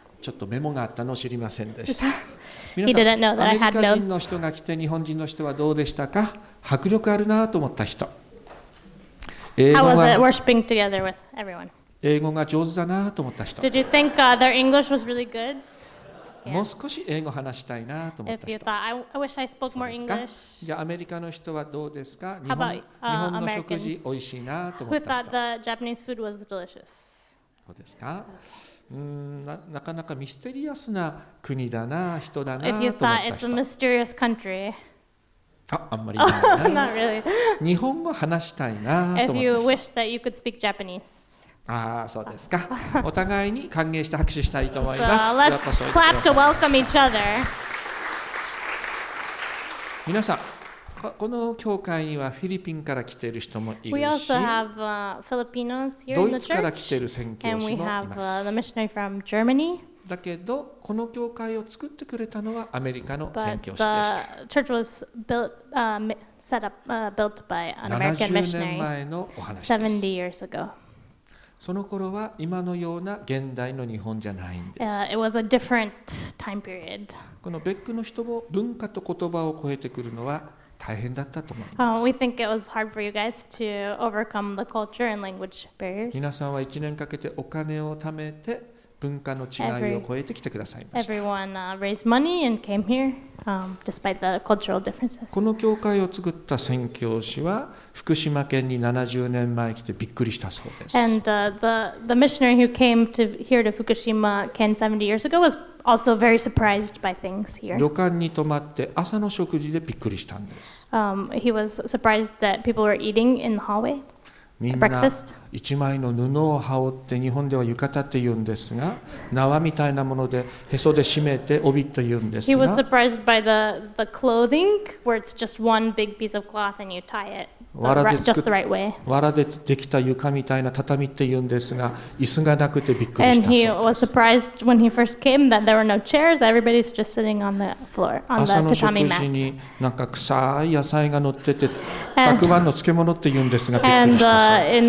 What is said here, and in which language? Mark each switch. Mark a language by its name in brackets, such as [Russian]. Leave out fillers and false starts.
[Japanese] ちょっとメモがあったのを知りませんでした。皆さん、アメリカ人の人が来て日本人の人はどうでしたか？迫力あるなと思った人。英語は、 [English] How was it worshiping together with everyone? [Japanese] 英語が上手だなと思った人。 [English] Did you think their English was really good? [Japanese] もう少し英語話したいなと思った人。 [English] If you thought, I wish I spoke more English. [Japanese] じゃあアメリカの人はどうですか？ [English] How about, [Japanese] 日本の食事おいしいなと思った人。 [English] Who thought the Japanese food was delicious? [Japanese] そうですか。なかなかミステリアスな国だな、人だなと思った人。 [English] If you thought it's a mysterious country. [Japanese] あんまり言わないな。 [English] Not really. [Japanese] 日本語話したいなと思った人。 [English] If you wish that you could speak Japanese. [Japanese] ああそうですか。お互いに歓迎して拍手したいと思います。 [English] Let's clap to welcome each other. [Japanese] 皆さん、この教会にはフィリピンから来ている人もいるし、 [English] We also have, Filipinos here [Japanese] ドイツから来ている宣教師もいます。 [English] And we have, the missionary from Germany. [Japanese] だけどこの教会を作ってくれたのはアメリカの宣教師でした。 [English] But the church was built, set up, built by an American missionary. [Japanese] 70年前のお話です。 [English] 70 years ago. [Japanese] その頃は今のような現代の日本じゃないんです。 [English] It was a different time period. [Japanese] このベックの人も文化と言葉を超えてくるのは大変だったと思います。 [English] We think it was hard for you guys to overcome the culture and language barriers. [Japanese] 皆さんは1年かけてお金を貯めて文化の違いを超えてきてくださいました。 [English] Everyone raised money and came here, despite the cultural differences. [Japanese] この教会を作った宣教師は福島県に70年前来てびっくりしたそうです。 [English] And the missionary who came to here to Fukushima Ken 70 years ago was also very surprised by things here. [Japanese] 旅館に泊まって朝の食事でびっくりしたんです。 [English] He was surprised that people were eating in the hallway. [Japanese] みんな一枚の布を羽織って日本では浴衣って言うんですが、縄みたいなものでへそで締めて帯って言うんですが。 [English] He was surprised by the clothing where it's just one big piece of cloth and you tie it just the right way. [Japanese] 藁でできた床みたいな畳って言うんですが、椅子がなくてびっくりしたそうです。 [English] And he was surprised when he first came that there were no chairs. Everybody's just sitting on the floor on the tatami mat. [Japanese] 朝の食事になんか臭い野菜が乗ってて。たくわんの漬物って言うんですが、びっくりしたそうです。